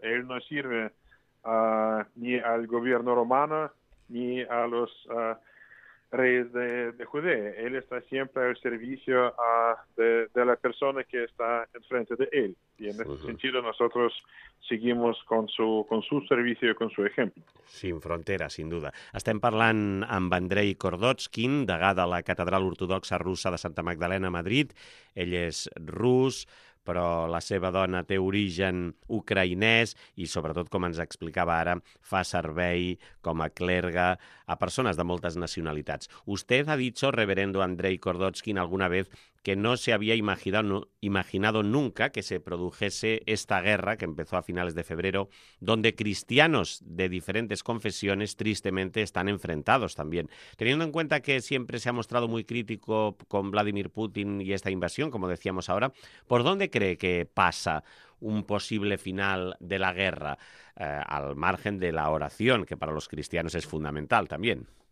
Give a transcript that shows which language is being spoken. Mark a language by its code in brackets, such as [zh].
[es] Él no sirve ni al gobierno romano ni a los reyes de Judea. Él está siempre al servicio de la persona que está enfrente de él. Y en ese sentido nosotros seguimos con su servicio y con su ejemplo. Sin frontera, sin duda. [ca] Estem parlant amb Andrei Kordotskin, degà de la Catedral Ortodoxa Russa de Santa Magdalena a Madrid. Ell és rus, però la seva dona té origen ucraïnès i, sobretot, com ens explicava ara, fa servei com a clergue a persones de moltes nacionalitats. [es] Usted ha dicho, reverendo Andrei Kordotskin, alguna vez que no se había imaginado nunca que se produjese esta guerra que empezó a finales de febrero, donde cristianos de diferentes confesiones tristemente están enfrentados también. Teniendo en cuenta que siempre se ha mostrado muy crítico con Vladimir Putin y esta invasión, como decíamos ahora, ¿por dónde cree que pasa un posible final de la guerra, al margen de la oración, que para los cristianos es fundamental también?